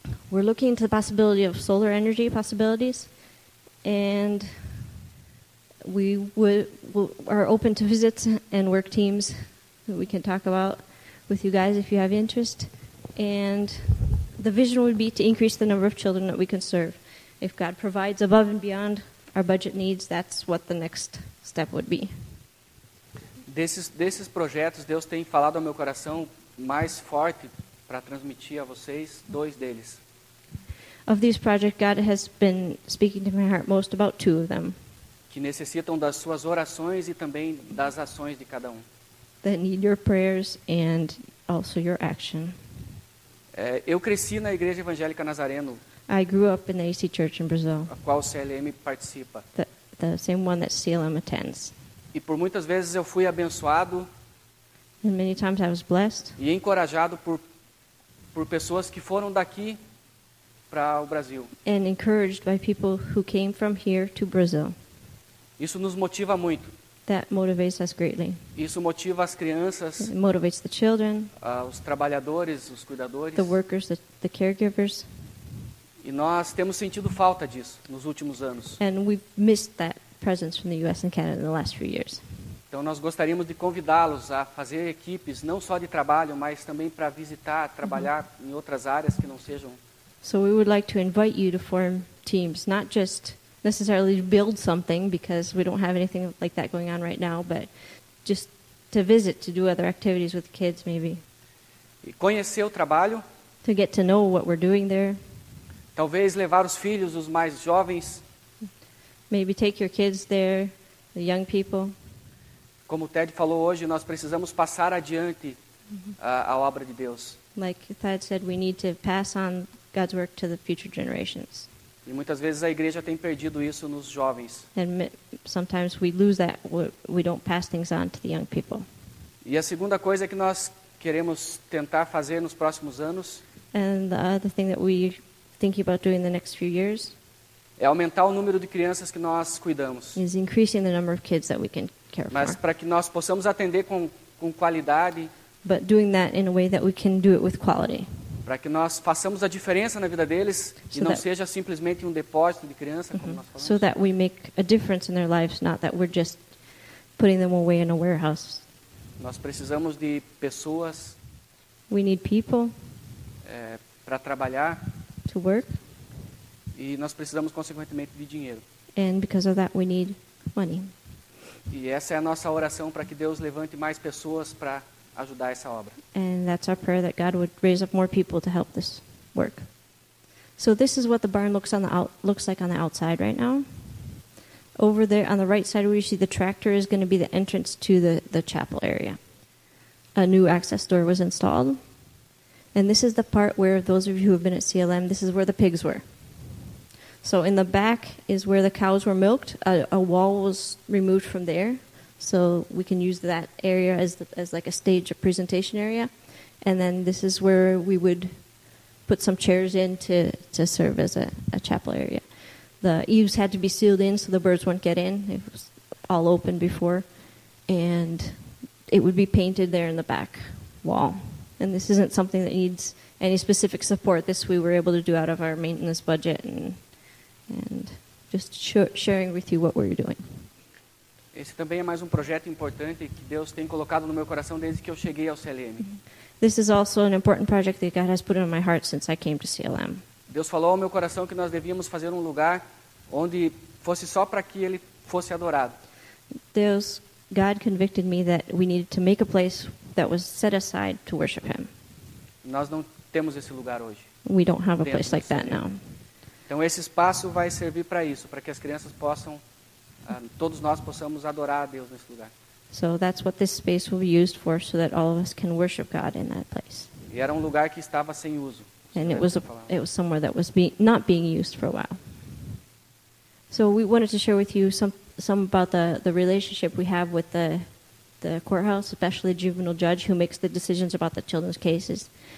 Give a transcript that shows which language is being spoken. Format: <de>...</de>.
<en>We're looking into the possibility of solar energy possibilities, and we are open to visits and work teams that we can talk about with you guys if you have interest. And the vision would be to increase the number of children that we can serve. If God provides above and beyond our budget needs, that's what the next step would be.</en> <pt>Desses projetos, Deus tem falado ao meu coração mais forte para transmitir a vocês dois deles.</pt> <en>Of these projects, God has been speaking to my heart most about two of them.</en> <pt>Que necessitam das suas orações e também das ações de cada um.</pt> <en>That need your prayers and also your action.</en> <pt>Eu cresci na Igreja Evangélica Nazareno.</pt> <en>I grew up in the AC Church in Brazil.</en> <pt>A qual o CLM participa.</pt> <en>The same one that CLM attends.</en> <pt>E por muitas vezes eu fui abençoado.</pt> <en>And many times I was blessed.</en> <pt>E encorajado por pessoas que foram daqui para o Brasil.</pt> <en>And encouraged by people who came from here to Brazil.</en> <pt>Isso nos motiva muito.</pt> <en>That motivates us greatly.</en> <pt>Isso motiva as crianças.</pt> <en>It motivates the children.</en> <pt>Os trabalhadores, os cuidadores.</pt> <en>The workers, the caregivers.</en> <pt>E nós temos sentido falta disso nos últimos anos.</pt> <en>And we've missed that presence from the US and Canada in the last few years.</en> <pt>Então nós gostaríamos de convidá-los a fazer equipes, não só de trabalho, mas também para visitar, trabalhar em outras áreas que não sejam.</pt> <en>So we would like to invite you to form teams, not just necessarily to build something, because we don't have anything like that going on right now, but just to visit, to do other activities with kids maybe.</en> <pt>E conhecer o trabalho.</pt> <en>To get to know what we're doing there.</en> <pt>Talvez levar os filhos, os mais jovens.</pt> <en>Maybe take your kids there, the young people.</en> <pt>Como o Ted falou hoje, nós precisamos passar adiante a obra de Deus.</pt> <en>Like Ted said, we need to pass on God's work to the future generations.</en> <pt>E muitas vezes a igreja tem perdido isso nos jovens.</pt> <en>And sometimes we lose that, we don't pass things on to the young people.</en> <pt>E a segunda coisa que nós queremos tentar fazer nos próximos anos.</pt> <en>And the other thing that we thinking about doing the next few years.</en> <pt>É aumentar o número de crianças que nós cuidamos.</pt> <en>Is increasing the number of kids that we can care for.</en> <pt>Mas para que nós possamos atender com qualidade.</pt> <en>But doing that in a way that we can do it with quality.</en> <pt>Para que nós façamos a diferença na vida deles e não seja simplesmente um depósito de criança, como nós falamos.</pt> <en>So that we make a difference in their lives, not that we're just putting them away in a warehouse.</en> <pt>Nós precisamos de pessoas.</pt> <en>We need people.</en> <pt>Para trabalhar.</pt> <en>To work.</en> <pt>E nós precisamos consequentemente de dinheiro.</pt> <en>And because of that we need money.</en> <pt>E essa é a nossa oração para que Deus levante mais pessoas para ajudar essa obra.</pt> <en>And that's our prayer that God would raise up more people to help this work. So this is what the barn looks like on the outside right now. Over there on the right side where you see the tractor is going to be the entrance to the chapel area. A new access door was installed. And this is the part where, those of you who have been at CLM, this is where the pigs were. So in the back is where the cows were milked. A wall was removed from there. So we can use that area as like a stage, a presentation area. And then this is where we would put some chairs in to serve as a chapel area. The eaves had to be sealed in so the birds wouldn't get in. It was all open before. And it would be painted there in the back wall. And this isn't something that needs any specific support. This we were able to do out of our maintenance budget and just sharing with you what we're doing.</en> <pt>Esse também é mais projeto importante que Deus tem colocado no meu coração desde que eu cheguei ao CLM.</pt> <en>This is also an important project that God has put in my heart since I came to CLM.</en> <pt>Deus falou ao meu coração que nós devíamos fazer lugar onde fosse só para que ele fosse adorado.</pt> <en>God convicted me that we needed to make a place that was set aside to worship him.</en> <pt>Nós não temos esse lugar hoje.</pt> <en>We don't have a place like that now.</en> <pt>Então esse espaço vai servir para isso, para que as crianças possam, todos nós possamos adorar a Deus nesse lugar.</pt> <en>So that's what this space will be used for, so that all of us can worship God in that place.</en> <pt>E era lugar que estava sem uso.</pt> <en>And it was somewhere that was not being used for a while. So we wanted to share with you some about the relationship we have with the courthouse, especially the juvenile judge who makes the decisions about the children's cases.</en>